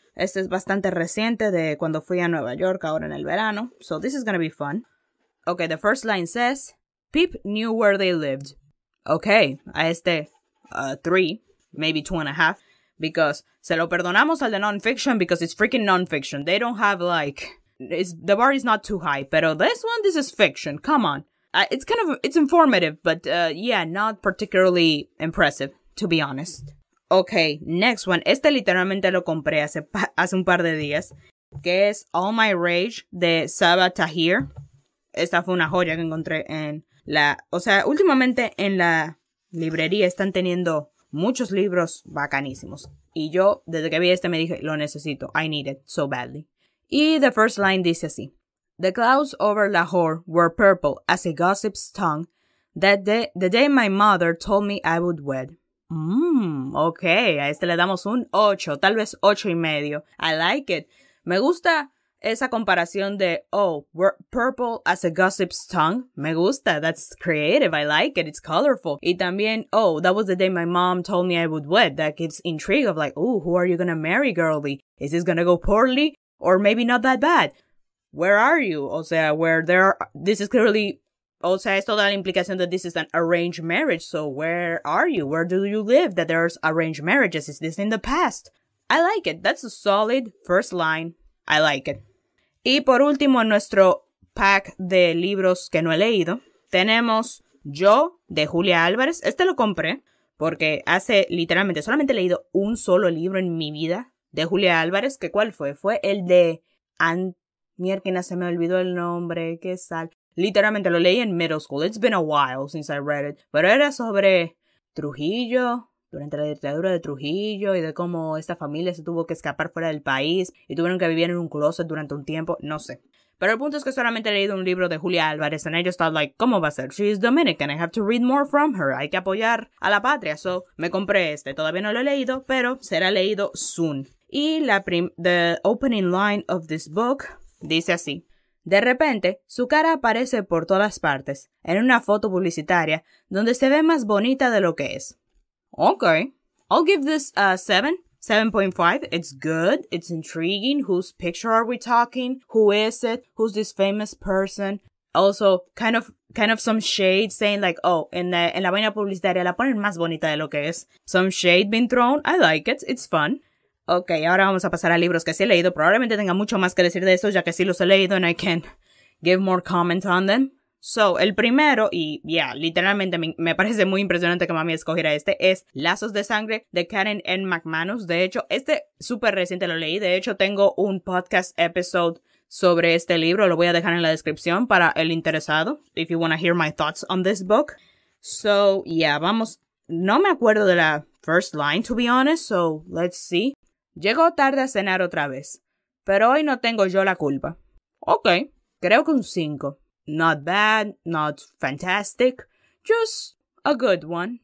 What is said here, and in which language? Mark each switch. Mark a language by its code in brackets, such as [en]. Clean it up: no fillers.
[es] Este es bastante reciente, de cuando fui a Nueva York ahora en el verano. [en] So this is gonna be fun. Okay, the first line says, Pip knew where they lived. [es] Okay, a este 3, [en] maybe [es] 2.5. [en] Because [es] se lo perdonamos al de [en] non-fiction because it's freaking non-fiction. They don't have like, the bar is not too high. [es] Pero [en] this one, this is fiction. Come on. It's informative, but yeah, not particularly impressive, to be honest. Okay, next one. [es] Este literalmente lo compré hace un par de días. Que es All My Rage, de Saba Tahir. Esta fue una joya que encontré en la, o sea, últimamente en la librería están teniendo muchos libros bacanísimos. Y yo, desde que vi este, me dije, lo necesito. I need it so badly. Y the first line dice así. [en] The clouds over Lahore were purple as a gossip's tongue that the day my mother told me I would wed. [es] Okay, a este le damos un 8, tal vez 8.5. [en] I like it. [es] Me gusta esa comparación de, [en] oh, we're purple as a gossip's tongue. [es] Me gusta, [en] that's creative, I like it, it's colorful. [es] Y también, [en] oh, that was the day my mom told me I would wed. That gives intrigue of like, oh, who are you gonna marry, girly? Is this gonna go poorly? Or maybe not that bad. Where are you? O sea, where there are, this is clearly, [es] o sea, es toda la implicación [en] that this is an arranged marriage. So where are you? Where do you live that there's arranged marriages? Is this in the past? I like it. That's a solid first line. I like it. [es] Y por último, en nuestro pack de libros que no he leído, tenemos Yo, de Julia Álvarez. Este lo compré Porque hace, literalmente, solamente he leído un solo libro en mi vida de Julia Álvarez. ¿Qué cuál fue? Fue el de... Mierda, se me olvidó el nombre. ¿Qué sal? Literalmente lo leí en [en] middle school. It's been a while since I read it. [es] Pero era sobre Trujillo, durante la dictadura de Trujillo, y de cómo esta familia se tuvo que escapar fuera del país y tuvieron que vivir en un closet durante un tiempo. No sé. Pero el punto es que solamente he leído un libro de Julia Álvarez [en] and I just thought like, [es] ¿cómo va a ser? [en] She's Dominican, I have to read more from her. [es] Hay que apoyar a la patria. So, me compré este. Todavía no lo he leído, pero será leído soon. Y la [en] the opening line of this book [es] dice así. De repente, su cara aparece por todas partes, en una foto publicitaria, donde se ve más bonita de lo que es. [en] Ok. I'll give this a 7. 7.5, it's good, it's intriguing, whose picture are we talking, who is it, who's this famous person. Also, kind of some shade saying like, oh, [es] en la vaina publicitaria la ponen más bonita de lo que es. [en] Some shade being thrown, I like it, it's fun. [es] Ok, ahora vamos a pasar a libros que sí he leído, probablemente tenga mucho más que decir de eso, ya que sí los he leído [en] and I can give more comment on them. [es] So, el primero, y yeah, literalmente me parece muy impresionante que mami escogiera este, es Lazos de Sangre de Karen N. McManus. De hecho, este súper reciente lo leí. De hecho, tengo un [en] podcast episode [es] sobre este libro. Lo voy a dejar en la descripción para el interesado, [en] if you want to hear my thoughts on this book. So, yeah, vamos. [es] No me acuerdo de la [en] first line, to be honest, so let's see. [es] Llegó tarde a cenar otra vez, pero hoy no tengo yo la culpa. Ok, creo que un 5. [en] Not bad, not fantastic, just a good one.